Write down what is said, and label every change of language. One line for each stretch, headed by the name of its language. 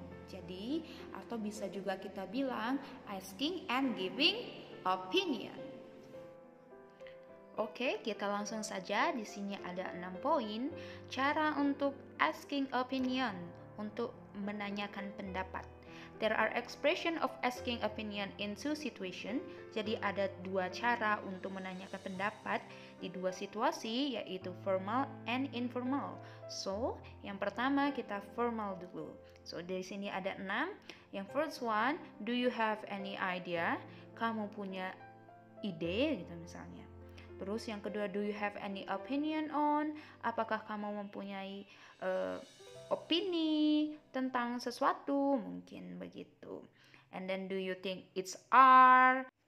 Indonesian: Jadi, atau bisa juga kita bilang
English: asking and giving opinion.
Indonesian: Oke, kita langsung saja. Di sini ada 6 poin cara untuk asking opinion, untuk menanyakan pendapat.
English: There are expression of asking opinion in two situation.
Indonesian: Jadi ada 2 cara untuk menanyakan pendapat di 2 situasi, yaitu formal and informal. So, yang pertama kita formal dulu. So, di sini ada 6.
English: Yang first one, do you have any idea?
Indonesian: Kamu punya ide gitu misalnya. Terus yang kedua,
English: do you have any opinion on?
Indonesian: Apakah kamu mempunyai opini tentang sesuatu? Mungkin begitu.
English: And then, do you think it's art?